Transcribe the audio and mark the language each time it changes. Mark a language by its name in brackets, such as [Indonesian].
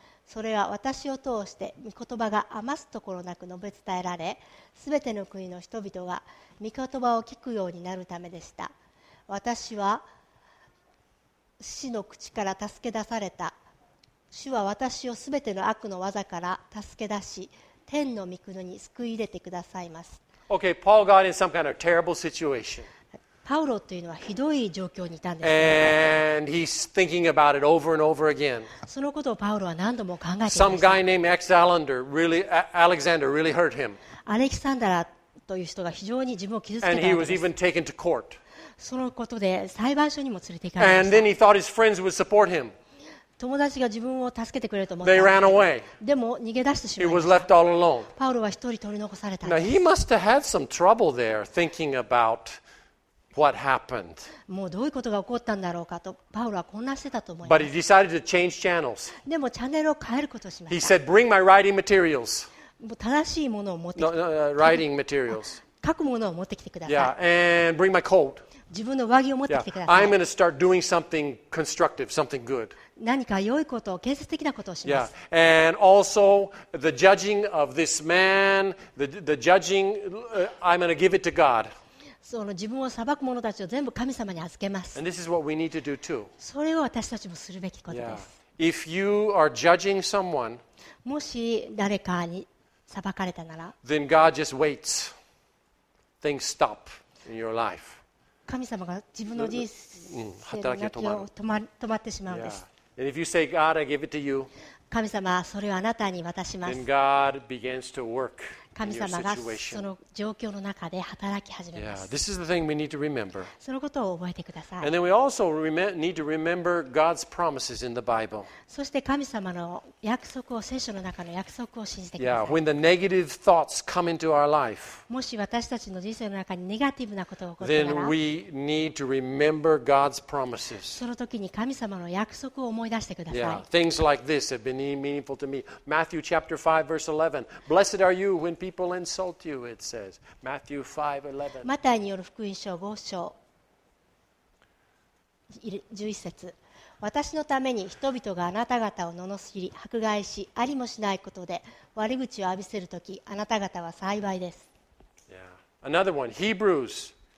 [Japanese] それは私を通して御言葉が余すところなく述べ伝えられ、すべての国の人々が御言葉を聞くようになるためでした。私は死の口から助け出された。主は私をすべての悪の技から助け出し、天の御国に救い入れてくださいます。 [English] OK, Paul got in some kind of terrible situation. [Japanese] パウロというのはひどい状況にいたんです、 [English] ね、And he's thinking about it over and over again. [Japanese] そのことをパウロは何度も考えていました。 [English] Some guy named Alexander really, hurt him. [Japanese] アレキサンダラという人が非常に自分を傷つけたんです。 [English] And he was even taken to court. [Japanese] そのことで裁判所にも連れて行かれました。 [English] And then he thought his friends would support him. [Japanese] 友達が自分を助けてくれると思ったんです。でも逃げ出してしまいました。パウロは一人取り残されたんです。 [English] Now, he must have had some trouble there thinking about what happened. [Japanese] もうどういうことが起こったんだろうかとパウロは混乱してたと思います。 [English] But he decided to change channels. [Japanese] でもチャンネルを変えることをしました。 [English] He said, "Bring my writing materials." [Japanese] 正しいものを持ってきて。 [English] Writing materials. [Japanese] 書くものを持ってきてください。 [English] Yeah, and bring my coat. [Japanese] 自分の上着を持ってきてください。 [English] Yeah, I'm going to start doing something constructive, something good. [Japanese] 何か良いことを、建設的なことをします。 [English] Yeah. And also, the judging of this man, the judging, I'm going to give it to God. [Japanese] その自分を裁く者たちを全部神様に預けます。 [English] And this is what we need to do too. [Japanese] それを私たちもするべきことです。 [English] If you are judging someone, [Japanese] もし誰かに裁かれたなら、 [English] then God just waits. Things stop in your life. [Japanese] 神様が自分の人生の脈を止まってしまうんです。 [English] Yeah. And if you say, God, I give it to you, [Japanese] 神様それをあなたに渡します、 [English] then God begins to work in your [Japanese] 神様がその状況の中で働き始めます。 [English] Yeah, this is the thing we need to remember. [Japanese] そのことを覚えてください。 [English] And then we also need to remember God's promises in the Bible. [Japanese] そして神様の約束を、聖書の中の約束を信じてください。 [English] Yeah, when the negative thoughts come into our life, [Japanese] もし私たちの人生の中にネガティブなことが起こったら、 [English] then we need to remember God's promises. [Japanese] その時に神様の約束を思い出してください。 [English] Yeah, things like this have been meaningful to me. Matthew chapter 5 verse 11. Blessed are you when people insult you, it says. Matthew 5:11. [Japanese] マタイによる福音書5章11節。私のために人々があなた方を罵り、迫害し、ありもしないことで悪口を浴びせるとき、あなた方は幸いです。 [English] Yeah. Another one. Hebrews